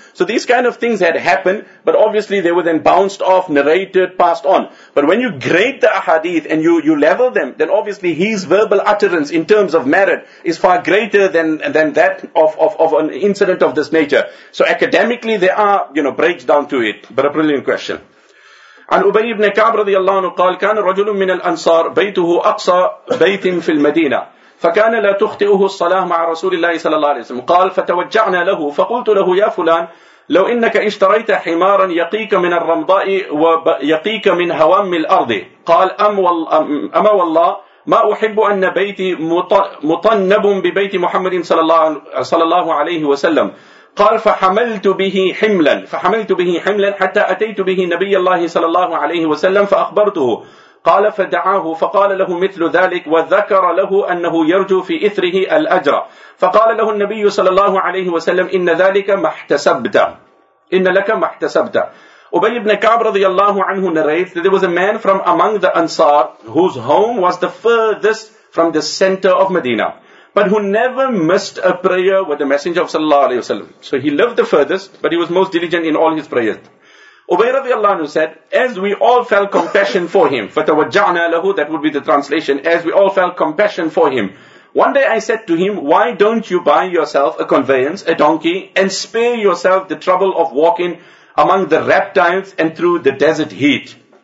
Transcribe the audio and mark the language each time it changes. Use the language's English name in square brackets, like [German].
[English] So these kind of things had happened, but obviously they were then bounced off, narrated, passed on. But when you grade the ahadith and you level them, then obviously his verbal utterance in terms of merit is far greater than that of an incident of this nature. So academically there are, you know, breaks down to it. But a brilliant question. [Arabic] عن أبي بن كعب رضي الله عنه قال كان رجل من الأنصار بيته أقصى بيت في المدينة فكان لا تخطئه الصلاة مع رسول الله صلى الله عليه وسلم قال فتوجعنا له فقلت له يا فلان لو إنك اشتريت حمارا يقيك من الرمضاء ويقيك من هوام الأرض قال أما والله ما أحب أن بيتي مطنب ببيت محمد صلى الله عليه وسلم قال فحملت به حملا حتى أتيت به نبي الله صلى الله عليه وسلم فأخبرته قال فدعاه فقال له مثل ذلك وذكر له أنه يرجو في إثره الأجر فقال له النبي صلى الله عليه وسلم إن ذلك ما احتسبت إن لك ما احتسبت أبي بن كعب رضي الله عنه [English] narrates that there was a man from among the Ansar whose home was the furthest from the center of Medina, but who never missed a prayer with the Messenger of Sallallahu Alaihi Wasallam. So he lived the furthest, but he was most diligent in all his prayers. Ubay radiallahu anhu said, as we all felt compassion for him, [Arabic] فَتَوَجَّعْنَا لَهُ, [English] that would be the translation, as we all felt compassion for him, one day I said to him, why don't you buy yourself a conveyance, a donkey, and spare yourself the trouble of walking among the reptiles and through the desert heat?